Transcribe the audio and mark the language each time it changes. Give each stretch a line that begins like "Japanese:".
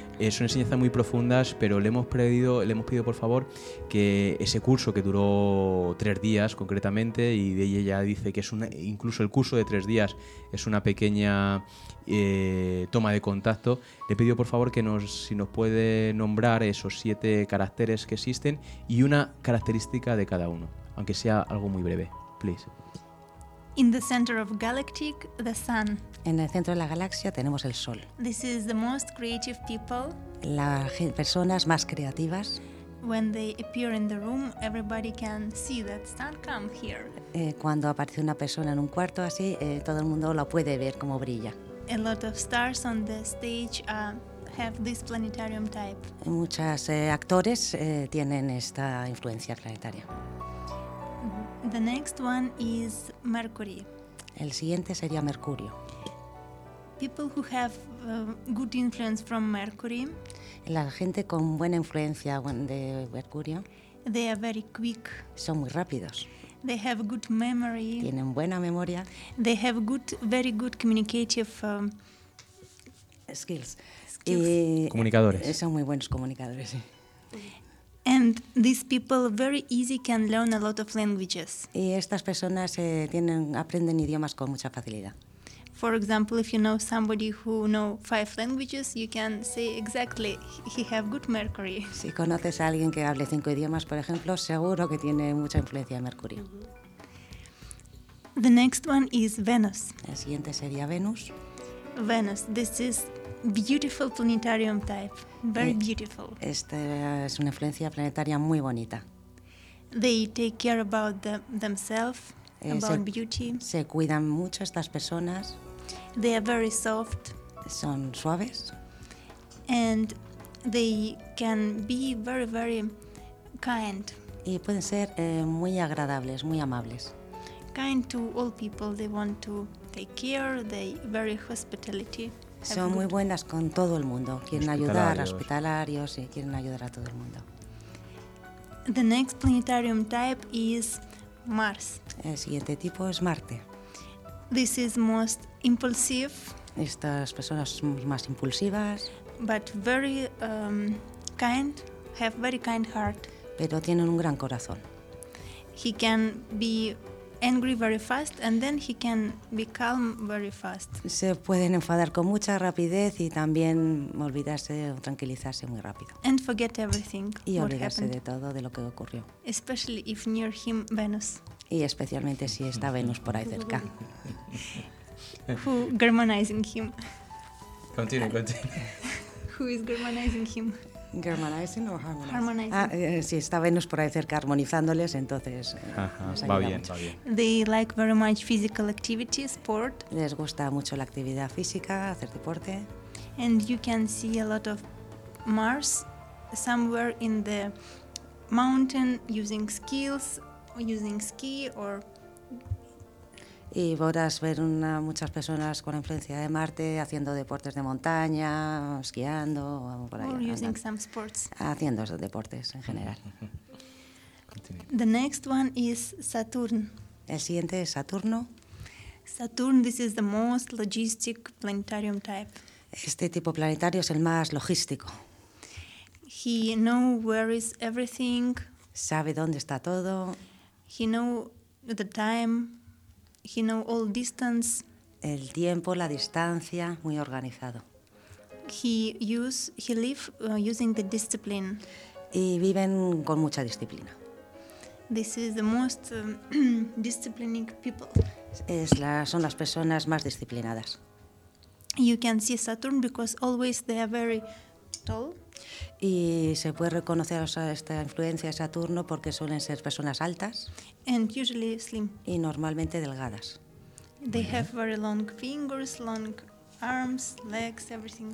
Spanish: Son enseñanzas muy profundas, pero le hemos pedido por favor que ese curso que duró 3 días concretamente, y ella ya dice que es una, incluso el curso de 3 días es una pequeña toma de contacto, le pido por favor que nos, si nos puede nombrar esos 7 caracteres que existen y una característica de cada uno, aunque sea algo muy breve,
English: please. In the center of galactic, the sun.
Spanish: En el centro de la galaxia tenemos el sol.
English: This is the most creative people.
Spanish: Las personas más creativas.
English: When they appear in the room, everybody can see that sun come here.
Spanish: Cuando aparece una persona en un cuarto así, todo el mundo lo puede ver cómo brilla.
English: A lot of stars on the stage have this planetarium type.
Spanish: Muchos actores tienen esta influencia planetaria.
English: The next one is Mercury.
Spanish: El siguiente sería Mercurio.
English: People who have good influence from Mercury.
Spanish: La gente con buena influencia de Mercurio.
English: They are very quick.
Spanish: Son muy rápidos.
English: They have good memory.
Spanish: Tienen buena memoria.
English: They have good, very good communicative skills.
Spanish: Y comunicadores. Son muy buenos comunicadores, sí.
English: And these people very easy can learn a lot of languages.
Spanish: Y estas personas aprenden idiomas con mucha facilidad.
English: For example, if you know somebody who know 5 languages, you can say exactly he have good Mercury.
Spanish: Si conoces a alguien que hable 5 idiomas, por ejemplo, seguro que tiene mucha influencia de Mercurio.
English: The next one is Venus.
Spanish: El siguiente sería Venus.
English: Venus, this is beautiful planetarium type, very beautiful.
Spanish: Esta es una influencia planetaria muy bonita.
English: They take care about themselves, about beauty.
Spanish: Se cuidan mucho estas personas.
English: They are very soft.
Spanish: Son suaves.
English: And they can be very, very kind.
Spanish: Y pueden ser muy agradables, muy amables.
English: Kind to all people, they want to take care, they very hospitality.
Spanish: Son muy buenas con todo el mundo. Quieren ayudar a hospitalarios y quieren ayudar a todo el mundo.
English: The next planetarium type is Mars.
Spanish: El siguiente tipo es Marte.
English: This is most impulsive.
Spanish: Estas personas son más impulsivas.
English: But very kind, have very kind heart.
Spanish: Pero tienen un gran corazón.
English: He can be angry very fast and then he can be calm very fast.
Spanish: Se pueden enfadar con mucha rapidez y también olvidarse o tranquilizarse muy rápido.
English: And forget everything.
Spanish: Y olvidarse de todo, de lo que ocurrió.
English: Especially if near him Venus.
Spanish: Y especialmente si está Venus por ahí cerca.
English: Who germanizing him? Continue. Who is germanizing him? ¿Germanizing o harmonizing? Harmonizing.
Spanish: Si está Venus por ahí cerca armonizándoles, entonces va bien.
English: They like very much physical activity, sport.
Spanish: Les gusta mucho la actividad física, hacer deporte.
English: And you can see a lot of Mars somewhere in the mountain using skills, using ski or...
Spanish: Y podrás ver muchas personas con la influencia de Marte haciendo deportes de montaña, esquiando o por ahí.
English: Or using some sports.
Spanish: Haciendo esos deportes en general.
English: The next one is Saturn.
Spanish: El siguiente es Saturno.
English: Saturn, this is the most logistic planetarium type.
Spanish: Este tipo planetario es el más logístico.
English: He knows where is everything.
Spanish: Sabe dónde está todo.
English: He knows the time. He know all distance.
Spanish: El tiempo, la distancia, muy organizado.
English: He lives using the discipline.
Spanish: Y viven con mucha disciplina.
English: This is the most disciplining people.
Spanish: Son las personas más disciplinadas.
English: You can see Saturn because always they are very tall.
Spanish: Y se puede reconocer esta influencia de Saturno porque suelen ser personas altas.
English: And usually slim.
Spanish: Y normalmente delgadas.
English: They have very long fingers, long arms, legs, everything.